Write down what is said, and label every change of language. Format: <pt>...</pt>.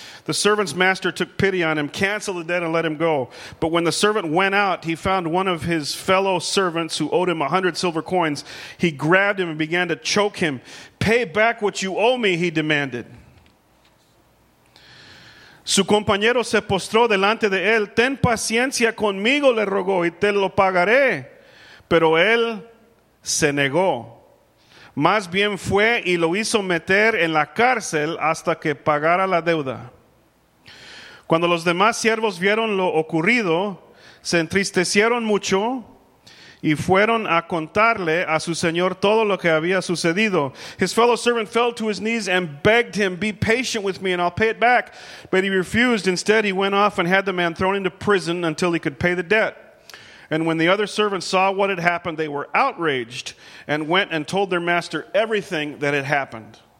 <en>The servant's master took pity on him, canceled the debt, and let him go. But when the servant went out, he found one of his fellow servants who owed him 100 silver coins. He grabbed him and began to choke him. Pay back what you owe me, he demanded.</en> <es>Su compañero se postró delante de él. Ten paciencia conmigo, le rogó, y te lo pagaré. Pero él se negó. Más bien fue y lo hizo meter en la cárcel hasta que pagara la deuda. Cuando los demás siervos vieron lo ocurrido, se entristecieron mucho y fueron a contarle a su señor todo lo que había sucedido.</es> <en>His fellow servant fell to his knees and begged him, be patient with me and I'll pay it back. But he refused. Instead, he went off and had the man thrown into prison until he could pay the debt. And when the other servants saw what had happened, they were outraged and went and told their master everything that had happened.</en>